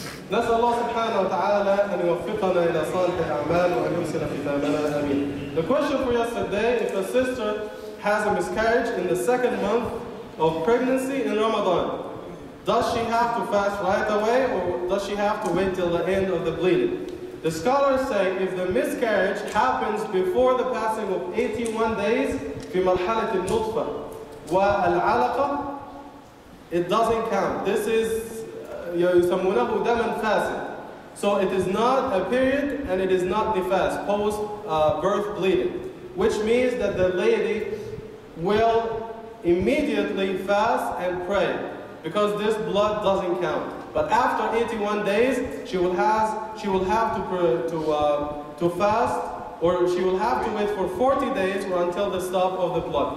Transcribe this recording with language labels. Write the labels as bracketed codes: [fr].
[ar] نسأل الله سبحانه وتعالى أن يوفقنا إلى صالح الأعمال وأن يرسل ختامنا آمين. [en] The question for yesterday, if a sister has a miscarriage in the second month of pregnancy in Ramadan, does she have to fast right away or does she have to wait till the end of the bleeding? The scholars say if the miscarriage happens before the passing of 81 days [ar] في مرحلة النطفة والعلقة, [en] it doesn't count. This is [ar] يسمونه دم فاسد. [en] So it is not a period and it is not nifas, post birth bleeding, which means that the lady will immediately fast and pray. because this blood doesn't count. But after 81 days, she will have to fast, or she will have to wait for 40 days or until the stop of the blood.